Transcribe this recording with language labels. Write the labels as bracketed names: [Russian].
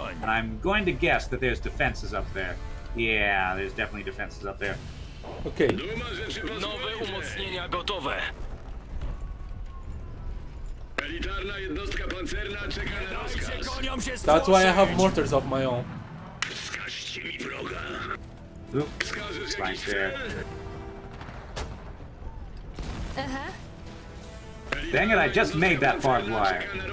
[English] And I'm going to guess that there's defenses up there. Yeah, there's definitely defenses up there. Okay. [Polish] Nowe umocnienia gotowe. Elitarna jednostka pancerna czeka na rozkaz. [English] That's why I have mortars of my own. Oops, right there. Uh-huh. Dang it, I just made that barbed wire.